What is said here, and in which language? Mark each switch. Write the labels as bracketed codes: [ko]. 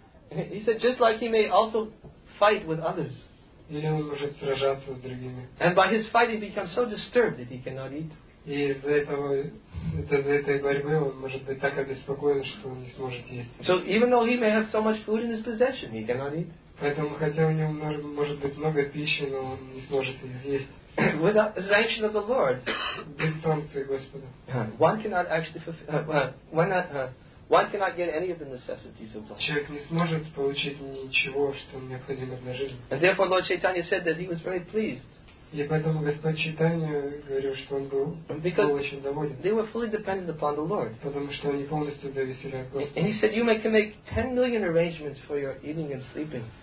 [en] He said, just like he may also fight with others. [ru] Или он может сражаться с другими. [en] And by his fight he becomes so disturbed that he cannot eat. [ru] И из-за этой борьбы он может быть так обеспокоен, что он не сможет есть. [en] So even though he may have so much food in his possession, he cannot eat. [ru] Поэтому хотя у него может быть много пищи, но он не сможет ее съесть. [en] Without the sanction of the Lord, [ru] без санкции Господа, [en] one cannot get any of the necessities of life. [ru] Человек не сможет получить ничего, что необходимо для жизни. [en] And therefore Lord Chaitanya said that he was very pleased. [ru] И поэтому Господь Чайтанья говорил, что он был очень доволен. [en] They were fully dependent upon the Lord. [ru] Потому что они полностью зависели от Господа. [en] And he said, "You can make 10 million arrangements for your eating and sleeping."